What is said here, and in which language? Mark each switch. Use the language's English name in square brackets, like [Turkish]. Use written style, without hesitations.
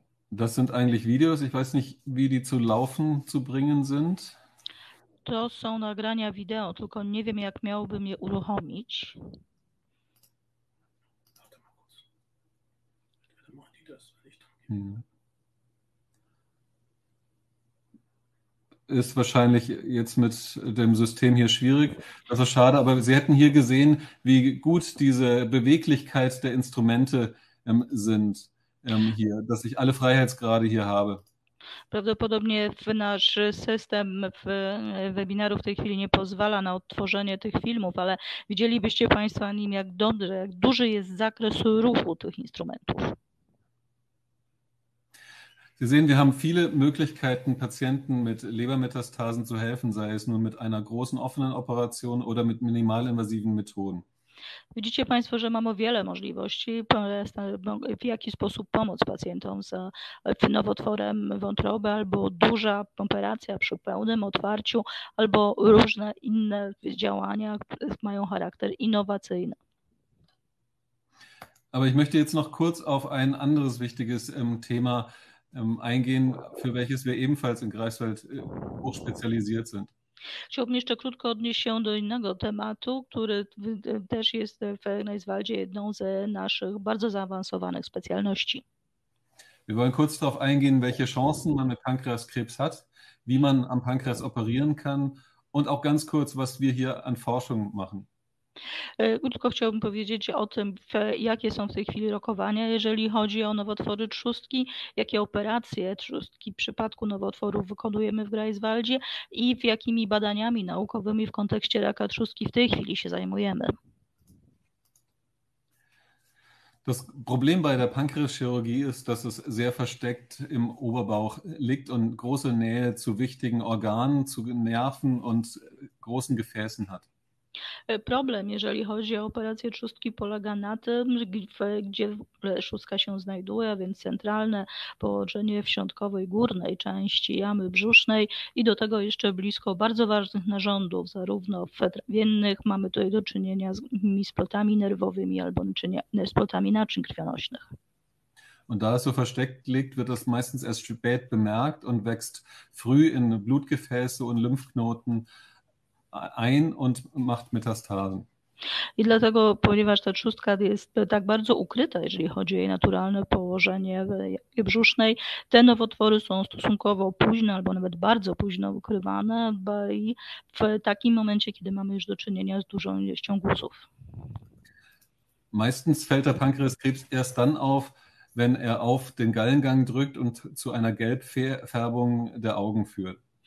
[German] Das sind eigentlich Videos. Ich weiß nicht, wie die zu laufen zu bringen sind. [Polish] To są nagrania wideo, tylko nie wiem, jak miałbym je uruchomić. [German] Ist wahrscheinlich jetzt mit dem System hier schwierig. Das ist schade, aber Sie hätten hier gesehen, wie gut diese Beweglichkeit der Instrumente sind hier, dass ich alle Freiheitsgrade hier habe. [Polish] Prawdopodobnie nasz system webinarów w tej chwili nie pozwala na odtworzenie tych filmów, ale widzielibyście Państwo na nim, jak duży jest zakres ruchu tych instrumentów. [German] Sie sehen, wir haben viele Möglichkeiten, Patienten mit Lebermetastasen zu helfen, sei es nun mit einer großen offenen Operation oder mit minimalinwasiven Methoden. [Polish] Widzicie Państwo, że mamy wiele możliwości, w jaki sposób pomóc pacjentom z nowotworem wątroby, albo duża operacja przy pełnym otwarciu, albo różne inne działania, które mają charakter innowacyjny. [German] Aber ich möchte jetzt noch kurz auf ein anderes wichtiges Thema eingehen, für welches wir ebenfalls in Greifswald hoch spezialisiert sind. [Polish] Chciałbym jeszcze krótko odnieść się do innego tematu, który też jest w Greifswaldzie jedną z naszych bardzo zaawansowanych specjalności. [German] Wir wollen kurz darauf eingehen, welche Chancen man mit Pankreaskrebs hat, wie man am Pankreas operieren kann und auch ganz kurz, was wir hier an Forschung machen. [Polish] Krótko chciałbym powiedzieć o tym, jakie są w tej chwili rokowania, jeżeli chodzi o nowotwory trzustki, jakie operacje trzustki w przypadku nowotworów wykonujemy w Greifswaldzie i w jakimi badaniami naukowymi w kontekście raka trzustki w tej chwili się zajmujemy. [German] Das Problem bei der Pankreaschirurgie ist, dass es sehr versteckt im Oberbauch liegt und große Nähe zu wichtigen Organen, zu Nerven und großen Gefäßen hat. [Polish] Problem, jeżeli chodzi o operację trzustki, polega na tym, gdzie trzustka się znajduje, a więc centralne położenie w środkowej górnej części jamy brzusznej i do tego jeszcze blisko bardzo ważnych narządów, zarówno w trawiennych, mamy tutaj do czynienia z płotami nerwowymi albo z płotami naczyń krwionośnych. [German] Und da es so versteckt liegt, wird es meistens erst spät bemerkt und wächst früh in Blutgefäße und Lymphknoten ein und macht Metastasen. [Polish] I dlatego, ponieważ ta trzustka jest tak bardzo ukryta, jeżeli chodzi o jej naturalne położenie w jamie brzusznej, te nowotwory są stosunkowo późno albo nawet bardzo późno ukrywane, bo i w takim momencie, kiedy mamy już do czynienia z dużą ilością guzów. [German] Meistens fällt der Pankreaskrebs erst dann auf, wenn er auf den Gallengang drückt und zu einer Gelbfärbung der Augen führt.